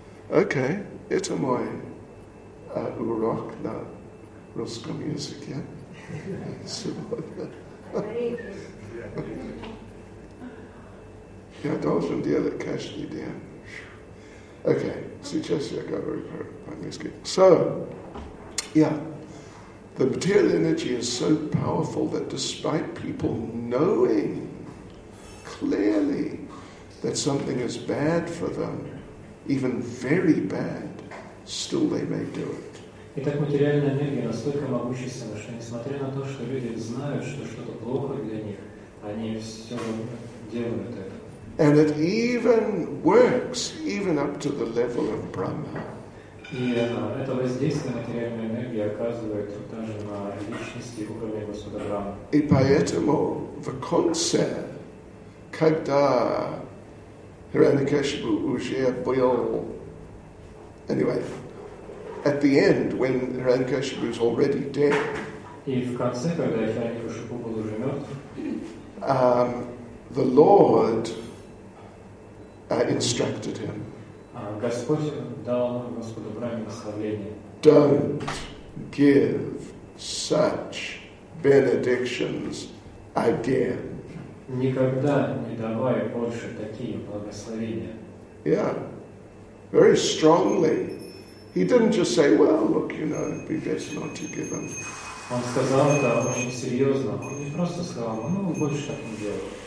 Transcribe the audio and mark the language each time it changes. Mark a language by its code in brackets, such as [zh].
[ru] Окей, это мой урок на русском языке сегодня. Я должен делать каждый день. Окей, сейчас я говорю по-английски. [en] The material energy is so powerful that despite people knowing clearly that something is bad for them, even very bad, still they may do it. [ru] Итак, материальная энергия настолько могущественна, что несмотря на то, что люди знают, что что-то плохо для них, они все делают это. [en] And it even works even up to the level of Brahma. [ru] И это воздействие материальной энергии оказывает даже на личности уровня Господа Брама. И поэтому в конце, когда Хиранякашипу уже был, [en] anyway, at the end, when Хиранякашипу is already dead. [ru] И в конце, когда Хиранякашипу был уже мертв. [en] The Lord instructed him. [ru] Господь дал Господу Браме наставление. [en] Don't give such benedictions again. [ru] Никогда не давай больше такие благословения. [en] Yeah. Very strongly. He didn't just say, well, look, you know, it'd be best not to give them. [ru] Он сказал это очень серьезно. Он не просто сказал, ну, больше так не делай.